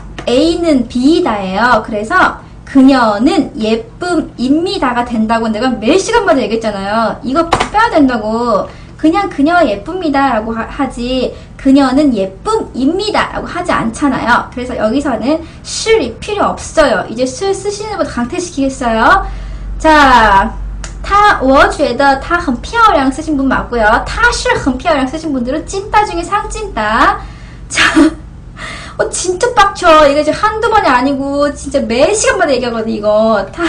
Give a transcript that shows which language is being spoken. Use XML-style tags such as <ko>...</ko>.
<ko>A는 B다예요. 그래서 그녀는 예쁨입니다가 된다고 내가 매 시간마다 얘기했잖아요. 이거 빼야 된다고. 그냥 그녀 예쁩니다 라고 하지 그녀는 예쁨입니다 라고 하지 않잖아요. 그래서 여기서는 실이 필요 없어요. 이제 실 쓰시는 분 강퇴시키겠어요. 자,</ko> <zh>我觉得他很漂亮</zh> <ko>쓰신 분 맞고요.</ko> <zh>他是很漂亮</zh> <ko>쓰신 분들은 찐따 중에 상찐따. 자, 진짜 빡쳐. 이거 지금 한두 번이 아니고 진짜 매 시간마다 얘기하거든 이거.</ko>